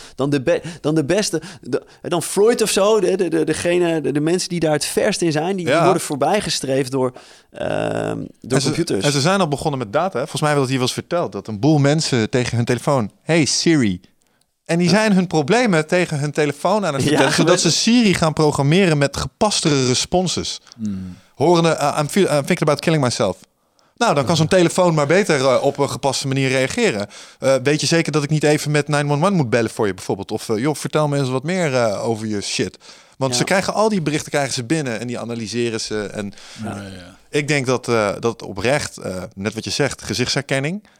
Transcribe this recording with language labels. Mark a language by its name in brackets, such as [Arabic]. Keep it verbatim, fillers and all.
[Dutch] Dan de, be- dan de beste De, de, dan Freud of zo, de, de, degene, de, de mensen die daar het verst in zijn, die, ja. die worden voorbijgestreefd door, uh, door en ze, computers. En ze zijn al begonnen met data. Hè? Volgens mij werd dat hier wel eens verteld, dat een boel mensen tegen hun telefoon, hey Siri. En die zijn hun problemen tegen hun telefoon aan het vertellen, ja, zodat ze Siri gaan programmeren met gepastere responses. Mm. Horende, [English] uh, I'm, feel, I'm thinking about killing myself. [Dutch] Nou, dan kan zo'n telefoon maar beter uh, op een gepaste manier reageren. Uh, weet je zeker dat ik niet even met nine one one moet bellen voor je bijvoorbeeld? Of uh, joh, vertel me eens wat meer uh, over je shit. Want ja. ze krijgen al die berichten krijgen ze binnen en die analyseren ze. En ja, ja. Ik denk dat, uh, dat oprecht, uh, net wat je zegt, gezichtsherkenning.